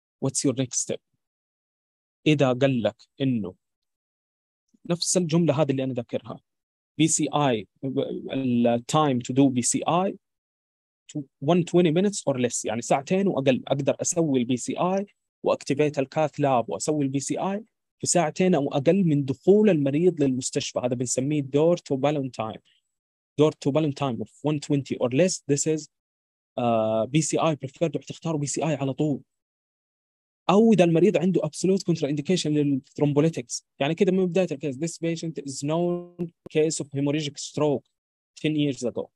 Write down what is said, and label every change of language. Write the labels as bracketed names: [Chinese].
[English] What's your next step؟ [Arabic] إذا قال لك إنه نفس الجملة هذه اللي أنا ذكرها، BCI [English] time to do BCI 120 minutes or less، [Arabic] يعني ساعتين وأقل أقدر أسوي BCI وأكتيفيت الكاث لاب وأسوي BCI في ساعتين أو أقل من دخول المريض للمستشفى، هذا بنسميه door to balloon time. [English] Door to balloon time of 120 or less. This is BCI preferred. [Arabic] وحتختاروا BCI على طول. أو إذا المريض عنده absolute contraindication للthrombolytics. يعني كده من بداية الكيس. [English] This patient is known case of hemorrhagic stroke 10 years ago.